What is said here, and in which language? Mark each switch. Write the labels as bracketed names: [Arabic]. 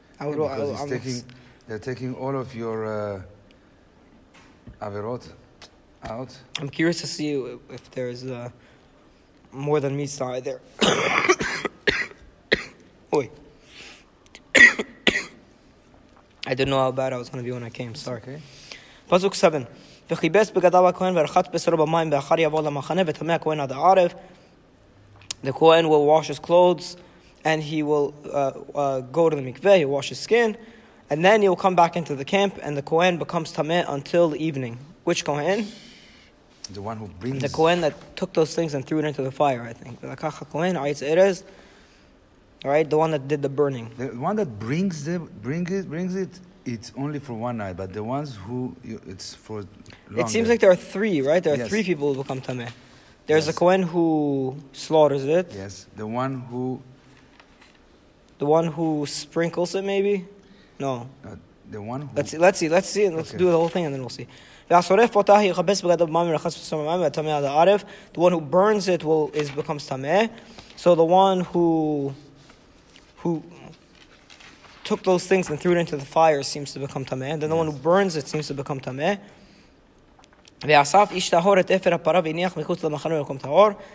[English] They're taking all of your Averot out. I'm curious to see if there's more than meets the eye there. Oi. I didn't know how bad I was going to be when I came. Sorry. Okay. Pasuk 7. [Hebrew] וחיבס בגדיו הכהן ורחץ בשרו במים ואחר יבוא למחנה ותמי הכהן עד הערב. [English] The Kohen will wash his clothes and he will go to the mikveh, he'll wash his skin, and then he'll come back into the camp and the Kohen becomes tameh until the evening. Which Kohen? The one who brings... The Kohen that took those things and threw it into the fire, I think. [Hebrew] Lakach HaKohen, Aitz Erez. [English] Right? The one that did the burning. The one that brings it, it's only for one night, but the ones who... It's for longer. It seems like there are three, right? There are three people who become tameh. There's a Kohen who slaughters it. Yes, the one who... The one who sprinkles it, maybe? No. The one who... Let's see. Let's do the whole thing, and then we'll see. [Hebrew] והשורף אותה יחבס בגד המים ורחץ בשרו במים ותמה עד הערב. [English] The one who burns it becomes tameh. So the one who took those things and threw it into the fire seems to become tameh. Then the one who burns it seems to become tameh. [Hebrew] ואסף איש טהור את אפר הפרה והניח מחוץ למחנה במקום טהור.